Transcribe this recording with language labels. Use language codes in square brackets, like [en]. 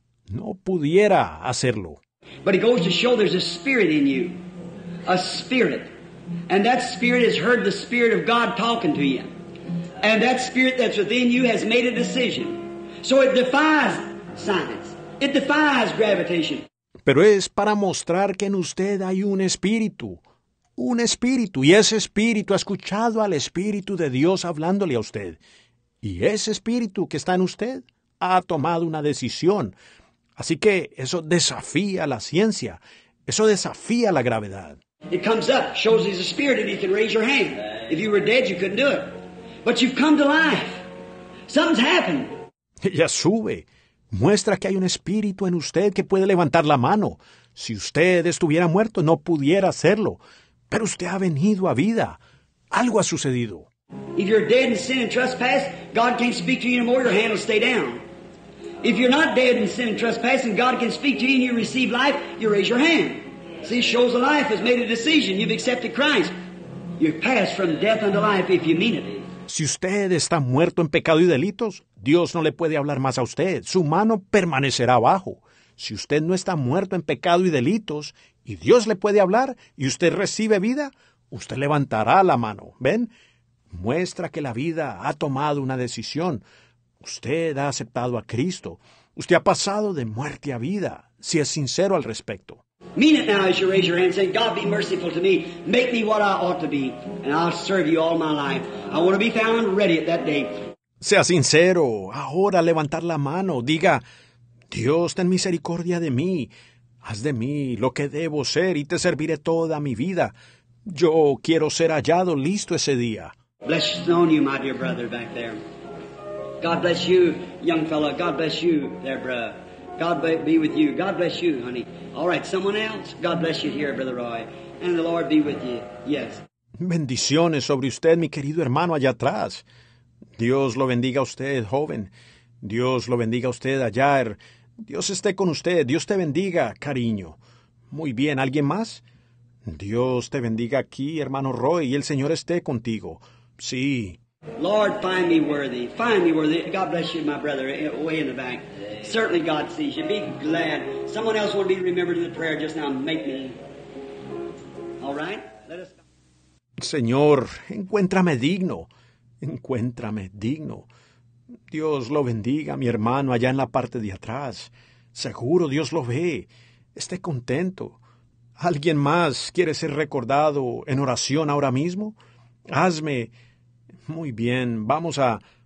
[es] No pudiera hacerlo. [en] But it goes to show there's a spirit in you. A spirit. And that spirit has heard the spirit of God talking to you. And that spirit that's within you has made a decision. So it defies science. It defies gravitation. [es] Pero es para mostrar que en usted hay un espíritu. Un espíritu. Y ese espíritu ha escuchado al Espíritu de Dios hablándole a usted. Y ese espíritu que está en usted ha tomado una decisión. Así que eso desafía la ciencia. Eso desafía la gravedad. [en] It comes up, shows he's a spirit, and he can raise your hand. If you were dead, you couldn't do it. But you've come to life. Something's happened. [es] Ella sube. Muestra que hay un espíritu en usted que puede levantar la mano. Si usted estuviera muerto, no pudiera hacerlo. Pero usted ha venido a vida. Algo ha sucedido. [en] If you're dead in sin and trespass, God can't speak to you anymore. Your hand will stay down. If you're not dead in sin and trespass, and God can speak to you and you receive life, you raise your hand. See, it shows the life has made a decision. You've accepted Christ. You pass from death unto life if you mean it. [es] Si usted está muerto en pecado y delitos, Dios no le puede hablar más a usted. Su mano permanecerá abajo. Si usted no está muerto en pecado y delitos, y Dios le puede hablar, y usted recibe vida, usted levantará la mano. ¿Ven? Muestra que la vida ha tomado una decisión. Usted ha aceptado a Cristo. Usted ha pasado de muerte a vida, si es sincero al respecto. [en] Mean it now as you raise your hand and say, God, be merciful to me. Make me what I ought to be, and I'll serve you all my life. I want to be found ready at that day. [es] Sea sincero. Ahora levantar la mano. Diga, Dios, ten misericordia de mí. Haz de mí lo que debo ser y te serviré toda mi vida. Yo quiero ser hallado listo ese día. [en] Blessed on you, my dear brother back there. God bless you, young fella. God bless you there, brother. God be with you. God bless you, honey. All right, someone else? God bless you here, Brother Roy. And the Lord be with you. Yes. [es] Bendiciones sobre usted, mi querido hermano allá atrás. Dios lo bendiga a usted, joven. Dios lo bendiga a usted, allá. Dios esté con usted. Dios te bendiga, cariño. Muy bien, ¿alguien más? Dios te bendiga aquí, hermano Roy, y el Señor esté contigo. Sí. [en] Lord, find me worthy. Find me worthy. God bless you, my brother, way in the back. Certainly God sees you. Be glad. Someone else will be remembered in the prayer just now. Make me. All right? Let us go. [es] Señor, encuéntrame digno. Encuéntrame digno. Dios lo bendiga, mi hermano, allá en la parte de atrás. Seguro Dios lo ve. Esté contento. ¿Alguien más quiere ser recordado en oración ahora mismo? Hazme. Muy bien, vamos a...